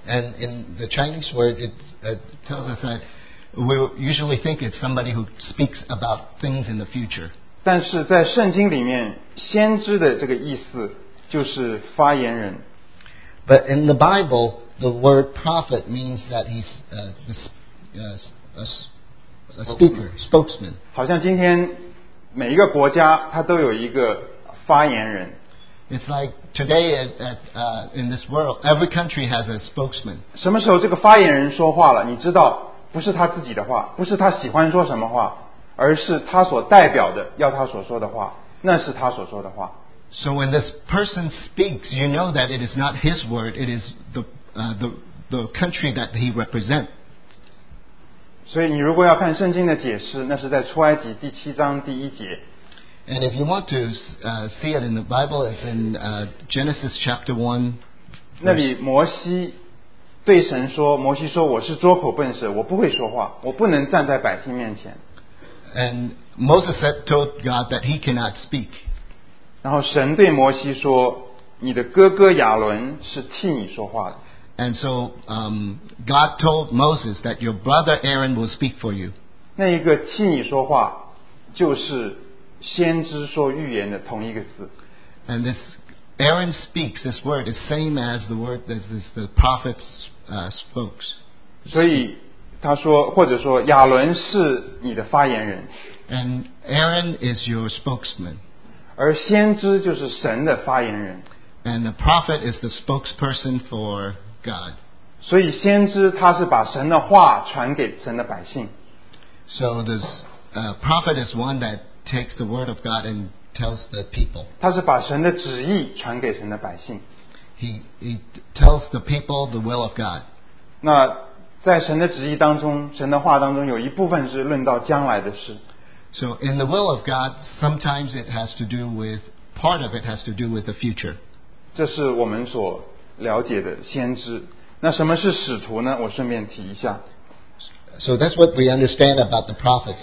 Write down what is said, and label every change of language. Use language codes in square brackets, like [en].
[en] And in the Chinese word, it tells us that we usually think it's somebody who speaks about things in the future. [zh] 但是在圣经里面，先知的这个意思就是发言人。 [en] But in the Bible, the word prophet means that he's a speaker, spokesman. [zh] 好像今天每一个国家它都有一个发言人。 [en] It's like today in this world, every country has a spokesman. [zh] 什么时候这个发言人说话了，你知道不是他自己的话，不是他喜欢说什么话，而是他所代表的，要他所说的话，那是他所说的话。 [en] So when this person speaks, you know that it is not his word, it is the country that he represents. [zh] 所以你如果要看圣经的解释，那是在出埃及第七章第一节。 [en] And if you want to see it in the Bible, it's in Genesis chapter 1. [zh] 那里摩西对神说，摩西说我是拙口笨舌，我不会说话，我不能站在百姓面前。 [en] And Moses told God that he cannot speak. [zh] 然后神对摩西说，你的哥哥亚伦是替你说话的。 [en] And so God told Moses that your brother Aaron will speak for you. [zh] 那一个替你说话就是先知说预言的同一个字。 [en] And this Aaron speaks, this word is same as the word that is the prophet spokes. [zh] 所以他说或者说亚伦是你的发言人。 [en] And Aaron is your spokesman. [zh] 而先知就是神的发言人。 [en] And the prophet is the spokesperson for God. [zh] 所以先知他是把神的话传给神的百姓。 [en] So this prophet is one that takes the word of God and tells the people. [zh] 他是把神的旨意传给神的百姓。 [en] He tells the people the will of God. [zh] 那在神的旨意当中，神的话当中有一部分是论到将来的事。 [en] So in the will of God, sometimes it has to do with, part of it has to do with the future. [zh] 这是我们所了解的先知。那什么是使徒呢？我顺便提一下。 [en] So that's what we understand about the prophets.